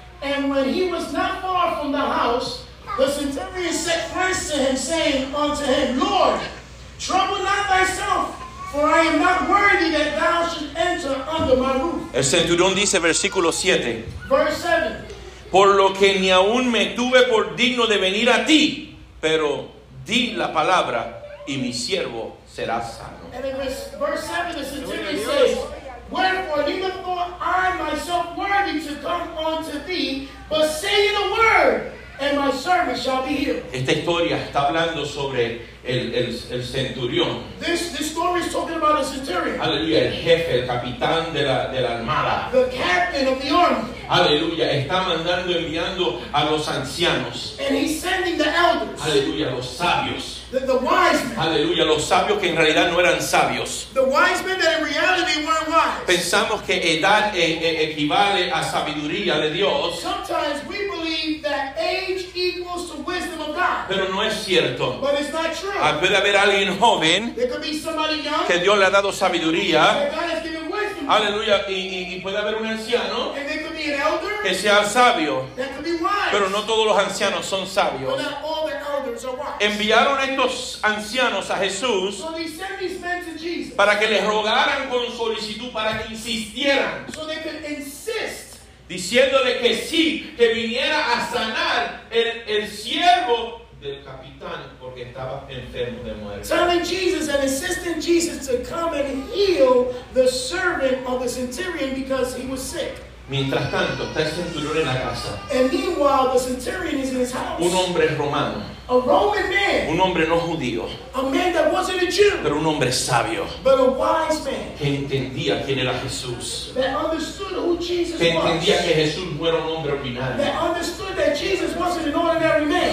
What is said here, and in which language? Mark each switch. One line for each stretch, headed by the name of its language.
English: And when he was not far from the house, the centurion said first to him, saying unto him, Lord, trouble not thyself, for I am not worthy that thou should enter under my roof.
Spanish: El centurión dice, versículo 7.
English: Verse 7.
Spanish: Por lo que ni aún me tuve por digno de venir a ti, pero di la palabra y mi siervo será sano.
English: And in this verse 7, the centurion says, wherefore, neither thought I myself worthy to come unto thee, but say the word, and my servant shall be healed.
Spanish: Esta historia está hablando sobre el centurión.
English: This story is talking about a centurion.
Spanish: Aleluya, el jefe, el capitán de la armada.
English: The captain of the army.
Spanish: Aleluya, está mandando, enviando a los ancianos.
English: And he's sending the elders.
Spanish: Aleluya, los sabios.
English: The wise men.
Spanish: Aleluya, los sabios que en realidad no eran sabios.
English: The wise men that in reality weren't wise.
Spanish: Pensamos que edad equivale a sabiduría de Dios.
English: Sometimes we believe that age equals to wisdom of God.
Spanish: Pero no es cierto.
English: But it's not true.
Spanish: Puede haber alguien joven.
English: There could be somebody young.
Spanish: Que Dios le ha dado sabiduría.
English: That God has given wisdom.
Spanish: Aleluya, y puede haber un anciano.
English: And there could be an elder.
Spanish: Que sea sabio.
English: That could be wise.
Spanish: Pero no todos los ancianos son sabios.
English: But not all the elders are wise.
Spanish: Enviaron estos ancianos a Jesús.
English: So they sent these men to Jesus.
Spanish: Para que les rogaran con solicitud, para que insistieran.
English: So they could insist.
Spanish: Diciéndole que sí, que viniera a sanar el siervo del capitán porque estaba enfermo de muerte.
English: Telling Jesus and insisting Jesus to come and heal the servant of the centurion because he was sick.
Spanish: Mientras tanto, está el centurión en la casa.
English: And meanwhile, the centurion is in his house.
Spanish: Un hombre romano.
English: A Roman man.
Spanish: Un hombre no judío.
English: A man that wasn't a Jew.
Spanish: Pero un hombre sabio.
English: But a wise man.
Spanish: Que entendía quién era Jesús.
English: That understood who Jesus was.
Spanish: Que entendía que Jesús no era un hombre ordinario.
English: That understood that Jesus wasn't an ordinary man.